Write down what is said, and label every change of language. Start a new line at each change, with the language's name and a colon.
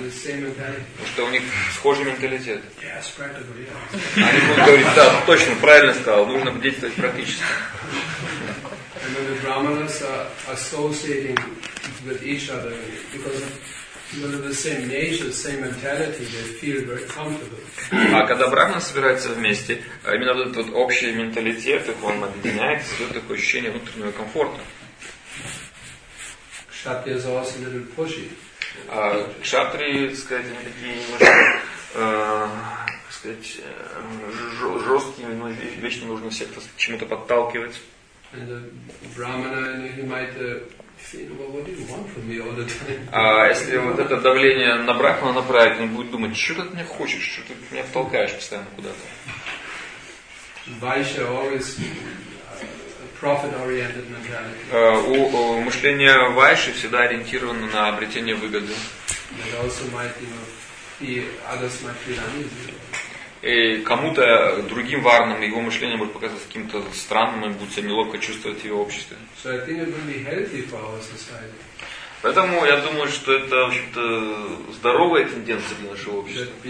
Russian: Потому что у них схожий менталитет. Они будут говорить, да, точно, правильно сказал, нужно действовать практически.
English: And when the brahmanas are associating with each other because they're the same nature, same mentality, they feel very comfortable.
Russian: А когда брахманы собираются вместе, именно вот этот вот общий менталитет, их он объединяет, создает такое ощущение внутреннего комфорта.
English: Кшатрия also a little pushy.
Russian: Кшатри, сказать, они такие немножко, сказать, жесткие, но вечно нужно всех чему-то подталкивать.
English: And the brahmana, he might say, well, what do you want from me all the time?
Russian: А если вот это давление на брахмана направить, он будет думать, что ты от меня хочешь, что ты меня толкаешь постоянно куда-то.
English: Vaishya always profit-oriented mentality.
Russian: Мышление вайши всегда ориентировано на обретение выгоды.
English: And also might, others might feel uneasy.
Russian: И кому-то, другим варнам, его мышление будет показаться каким-то странным, и будет себя неловко чувствовать в его обществе.
English: So I think it will be healthy for our society.
Russian: Поэтому я думаю, что это, в общем-то, здоровая тенденция для нашего общества.